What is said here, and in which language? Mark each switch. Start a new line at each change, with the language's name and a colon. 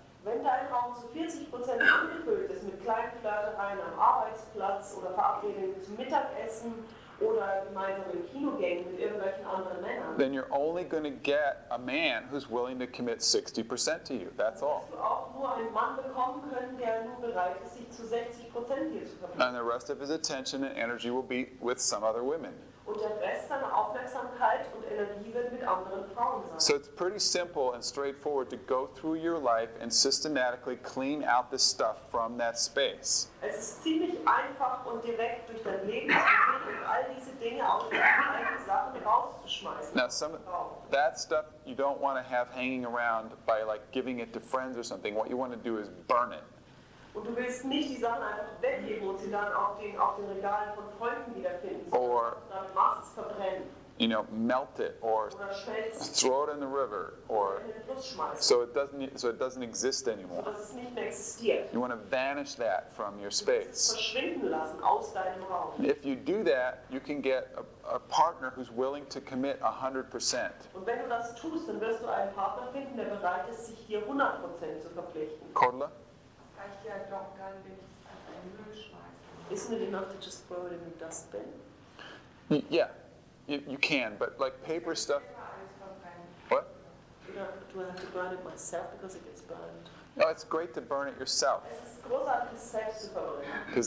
German: Wenn dein Raum zu 40% angefüllt ist mit kleinen Flirtereien am Arbeitsplatz oder Verabredungen zum Mittagessen oder gemeinsamen Kinogängen mit irgendwelchen anderen Männern,
English: then you're only going to get a man who's willing to commit 60% to you. That's all.
German: Du wirst auch nur einen Mann bekommen können, der nur bereit ist, sich zu 60% dir zu verpflichten.
English: And the rest of his attention and energy will be with some other women.
German: Und der Rest seiner Aufmerksamkeit und Energie wird mit anderen Frauen sein.
English: So it's pretty simple and straightforward to go through your life and systematically clean out the stuff from that space.
German: Es ist ziemlich einfach und direkt durch dein Leben zu gehen und all diese Dinge aus deinen eigenen Sachen rauszuschmeißen.
English: Now some of that stuff you don't want to have hanging around by like giving it to friends or something. What you want to do is burn it.
German: Und du willst nicht die Sachen einfach weggeben und sie dann auf den Regalen von Freunden wiederfinden.
English: Or
German: dann machst du es verbrennen.
English: you know, melt it or throw it in the river, or so it doesn't exist anymore.
German: So dass es nicht mehr existiert.
English: You want to vanish that from your space.
German: Verschwinden lassen aus deinem Raum.
English: If you do that, you can get a partner who's willing to commit 100%.
German: Und wenn du das tust, dann wirst du einen Partner finden, der bereit ist, sich dir 100% zu verpflichten. Cordula? Das reicht ja doch gar nicht, wenn ich es in den Müll schmeiße.
English: Isn't it enough to just throw it in the dustbin? Yeah. You can, but like paper stuff. What? Do I have to burn it myself because it gets burned? Oh, it's great to burn it yourself. Because